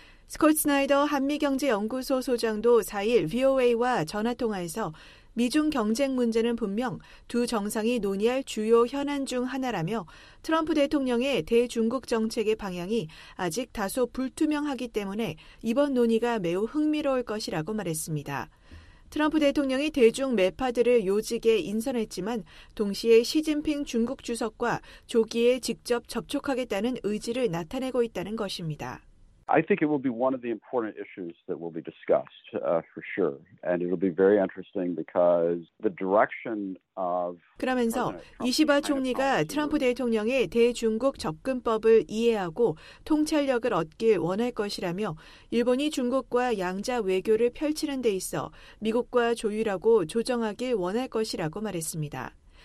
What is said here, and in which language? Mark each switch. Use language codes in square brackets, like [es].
[ko] 스콧 스나이더 한미경제연구소 소장도 4일 VOA와 전화통화에서 미중 경쟁 문제는 분명 두 정상이 논의할 주요 현안 중 하나라며 트럼프 대통령의 대중국 정책의 방향이 아직 다소 불투명하기 때문에 이번 논의가 매우 흥미로울 것이라고 말했습니다. 트럼프 대통령이 대중 매파들을 요직에 인선했지만 동시에 시진핑 중국 주석과 조기에 직접 접촉하겠다는 의지를 나타내고 있다는 것입니다. [en] I think it will be one of the important issues that will be discussed, for sure. And it will be very interesting because the direction of [ko] 그러면서 이시바 총리가 트럼프 대통령의 대중국 접근법을 이해하고 통찰력을 얻길 원할 것이라며 일본이 중국과 양자 외교를 펼치는 데 있어 미국과 조율하고 조정하길 원할 것이라고 말했습니다.